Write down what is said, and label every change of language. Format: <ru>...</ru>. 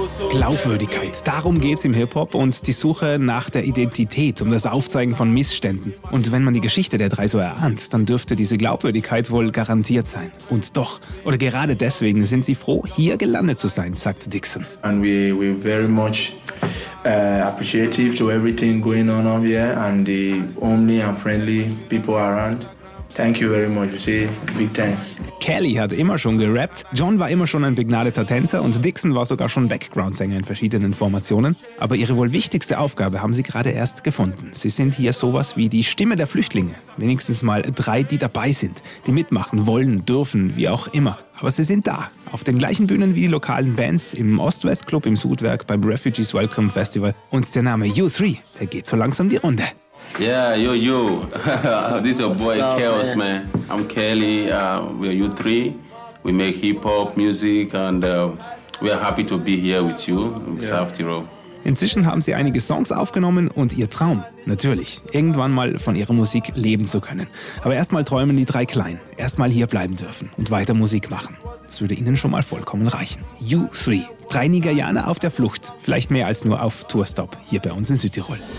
<de>Glaubwürdigkeit, darum geht's im Hip-Hop und die Suche nach der Identität, um das Aufzeigen von Missständen. Und wenn man die Geschichte der drei so erahnt, dann dürfte diese Glaubwürdigkeit wohl garantiert sein. Und doch, oder gerade deswegen sind sie froh, hier gelandet zu sein, sagt Dixon.</de> <en>And we're very much appreciative to everything going on up here and the homely and friendly people around. Thank you very much. You see, big thanks.</en> <de>Kelly hat immer schon gerappt, John war immer schon ein begnadeter Tänzer und Dixon war sogar schon Backgroundsänger in verschiedenen Formationen. Aber ihre wohl wichtigste Aufgabe haben sie gerade erst gefunden. Sie sind hier sowas wie die Stimme der Flüchtlinge. Wenigstens mal drei, die dabei sind, die mitmachen wollen, dürfen, wie auch immer. Aber sie sind da, auf den gleichen Bühnen wie die lokalen Bands, im Ost-West-Club, im Sudwerk, beim Refugees Welcome Festival. Und der Name U3, der geht so langsam die Runde.</de> <en>Yeah, yo. This is your boy up, Chaos, man. I'm Kelly. We are U3. We make hip hop music and we are happy to be here with you in South Tirol.</en> <de>Inzwischen haben sie einige Songs aufgenommen und ihr Traum, natürlich, irgendwann mal von ihrer Musik leben zu können. Aber erstmal träumen die drei klein, erstmal hier bleiben dürfen und weiter Musik machen. Das würde ihnen schon mal vollkommen reichen. U3, drei Nigerianer auf der Flucht, vielleicht mehr als nur auf Tourstop hier bei uns in Südtirol.</de>